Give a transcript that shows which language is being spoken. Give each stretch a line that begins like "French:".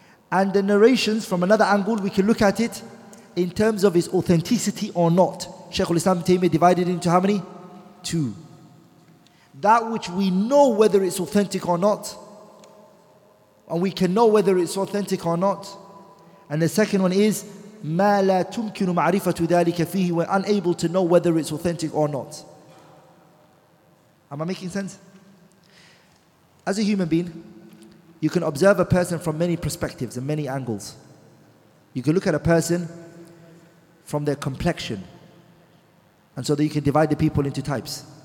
English: And the narrations, from another angle, we can look at it in terms of its authenticity or not. Shaykh al-Islam ibn Taymiyyah divided it into how many? Two. That which we know whether it's authentic or not, and we can know whether it's authentic or not. And the second one is
Arabic: مَا لَا تُمْكِنُ مَعْرِفَةُ ذَلِكَ فِيهِ.
English: We're unable to know whether it's authentic or not. Am I making sense? As a human being, you can observe a person from many perspectives and many angles. You can look at a person from their complexion, and so that you can divide the people into types.